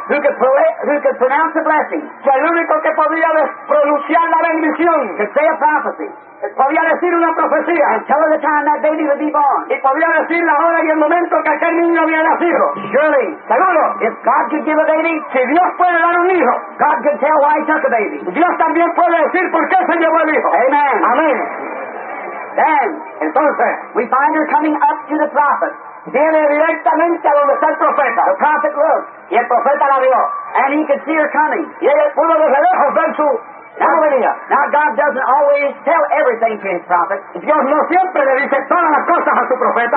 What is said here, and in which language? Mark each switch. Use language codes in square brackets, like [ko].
[en] Who could pronounce the blessing. [es] Que el único que podía pronunciar la bendición. [en] Could say a prophecy. [es] Podía decir una profecía. [en] And tell the time that baby would be born. [es] Y podía decir la hora y el momento que aquel niño había nacido. [en] Surely. [es] Seguro. [en] If God could give a baby. [es] Si Dios puede dar un hijo. [en] God could tell why he took a baby. [es] Dios también puede decir por qué se llevó el hijo. [en] Amen. Amen. Then. [es] Entonces. [en] We find her coming up to the prophet. [es] Viene directamente a donde está el profeta. [en] The prophet looked. [es] Y el profeta la vio. [en] And he could see her coming. [es] Y ella pudo desde lejos ver su... [en] Now God doesn't always tell everything to his prophet. [es] Dios no siempre le dice todas las cosas a su profeta.